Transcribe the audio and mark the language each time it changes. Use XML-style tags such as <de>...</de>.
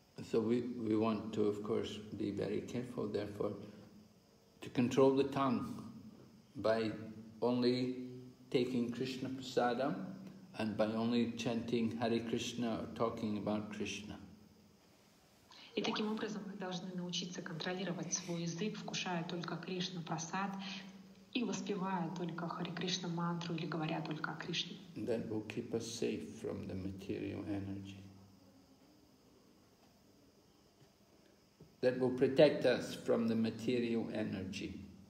<en>So we want to, of course, be very careful, therefore, to control the tongue by only taking Krishna prasadam and by only chanting Hare Krishna or talking about Krishna.</en> <ru>И таким образом мы должны научиться контролировать свой язык, вкушая только Кришна прасад и воспевая только Хари Кришна мантру или говоря только о Кришне.</ru> <en>That will keep us safe from the material energy. That will protect us from the material energy.</en>